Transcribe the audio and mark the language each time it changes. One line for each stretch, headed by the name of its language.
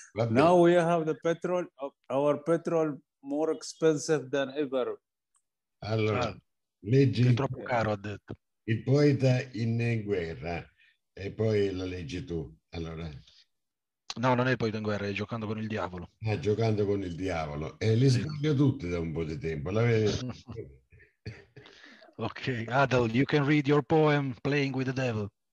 English: Now we have the petrol, our petrol more expensive than ever.
Italian: Allora, leggi. È troppo caro, ha detto. Il poeta in guerra, e poi la leggi tu. Allora. No, non è il poeta in guerra, è giocando con il diavolo. Giocando con il diavolo. E li sbaglio tutti da un po' di tempo.
English: Okay, Adel, you can read your poem Playing with the Devil.